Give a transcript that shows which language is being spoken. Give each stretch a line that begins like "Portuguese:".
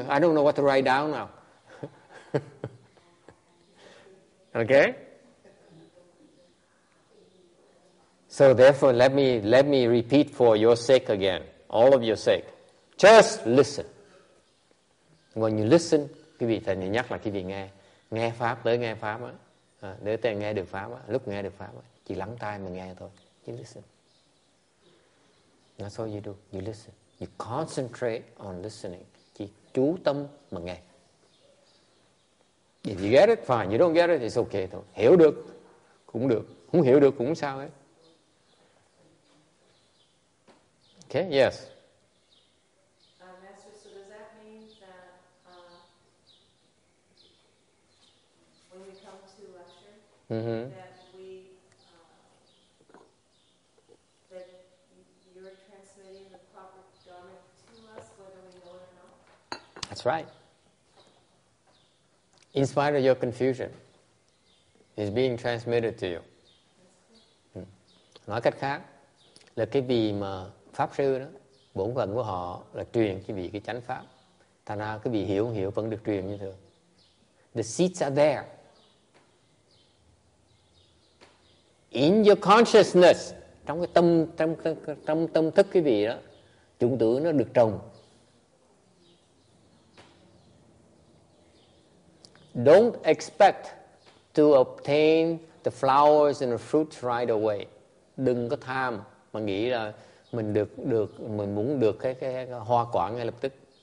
English: I don't know what to write down now. Okay? So therefore, let me repeat for your sake again. All of your sake. Just listen. When you listen,
Vietnamese: quý vị thầy nhắc là quý vị nghe. Nghe pháp, tới nghe pháp á, để tới nghe được pháp á, lúc nghe được pháp á, chỉ lắng tai mà nghe thôi.
English: You listen. That's all you do. You listen. You concentrate on listening.
Vietnamese: Chỉ chú tâm mà nghe.
English: If you get it, fine. You don't get it, it's okay
Vietnamese: thôi. Hiểu được, cũng được. Không hiểu được, cũng sao hết.
English: Okay, yes. Mm-hmm. That you're transmitting the proper dharma to us, whether we know it or not. That's right. In spite of your confusion, it's being transmitted to you.
Vietnamese: Nói cách khác, là cái vị mà pháp sư đó, bổn phận của họ là truyền cái vị cái chánh pháp. Thành ra cái vị hiểu hiểu vẫn được truyền như thường.
English: The seeds are there. In your consciousness,
Vietnamese: trong cái tâm thức cái vị đó, chủng tử nó được trồng.
English: Don't expect to obtain the flowers and the fruits right away.
Vietnamese: Đừng có tham mà nghĩ là mình được mình muốn được cái hoa quả ngay lập tức.